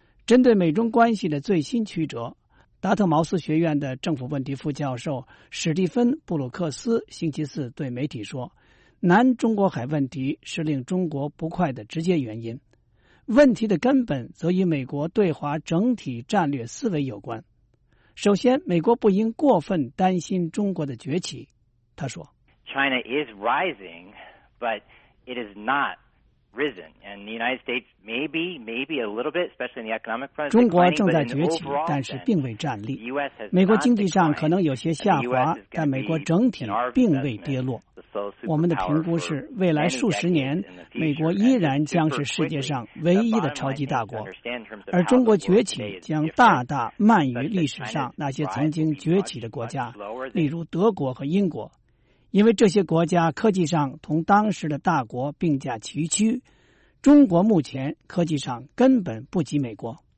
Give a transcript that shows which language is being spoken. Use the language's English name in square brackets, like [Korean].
[Chinese] 针对美中关系的最新曲折，达特茅斯学院的政府问题副教授史蒂芬·布鲁克斯星期四对媒体说，南中国海问题是令中国不快的直接原因，问题的根本则与美国对华整体战略思维有关。首先，美国不应过分担心中国的崛起，他说， [English] China is rising, but it is not risen. And the United States maybe a little bit, especially in the economic front. [Chinese] 中国正在崛起，但是并未站立。美国经济上可能有些下滑，但美国整体并未跌落。我们的评估是，未来数十年，美国依然将是世界上唯一的超级大国，而中国崛起将大大慢于历史上那些曾经崛起的国家，例如德国和英国，因为这些国家科技上同当时的大国并驾齐驱，中国目前科技上根本不及美国。